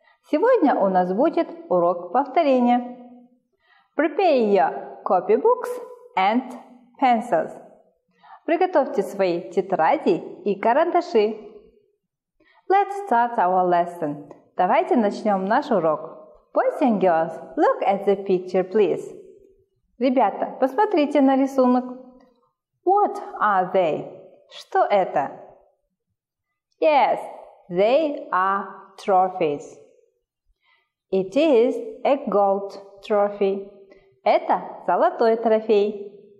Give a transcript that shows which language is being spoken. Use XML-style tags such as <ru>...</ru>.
<ru>Сегодня у нас будет урок повторения.</ru> <en>Prepare your copybooks and pencils.</en> <ru>Приготовьте свои тетради и карандаши.</ru> <en>Let's start our lesson.</en> <ru>Давайте начнем наш урок.</ru> <en>Boys and girls, look at the picture, please.</en> <ru>Ребята, посмотрите на рисунок.</ru> <en>What are they?</en> <ru>Что это?</ru> <en>Yes, they are trophies. It is a gold trophy.</en> <ru>Это золотой трофей.</ru>